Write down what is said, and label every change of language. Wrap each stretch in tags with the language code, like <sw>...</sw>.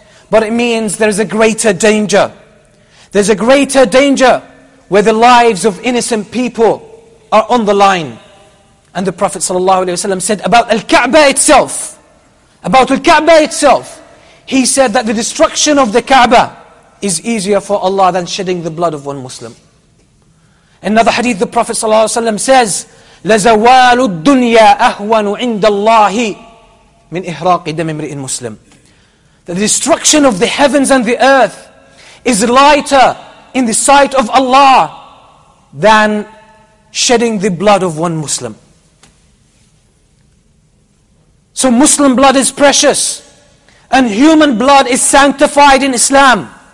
<en>But it means there is a greater danger. There's a greater danger where the lives of innocent people are on the line. And the Prophet ﷺ said about Al-Ka'bah itself, about Al-Ka'bah itself, he said that the destruction of the Ka'ba is easier for Allah than shedding the blood of one Muslim. Another hadith, the Prophet ﷺ says,</en> <ar>لَزَوَالُ الدُّنْيَا أَهْوَنُ عِنْدَ اللَّهِ مِنْ إِهْرَاقِ دَمِ امْرِئٍ مُسْلِمٍ.</ar> <en>The destruction of the heavens and the earth is lighter in the sight of Allah than shedding the blood of one Muslim. So Muslim blood is precious, and human blood is sanctified in Islam.</en>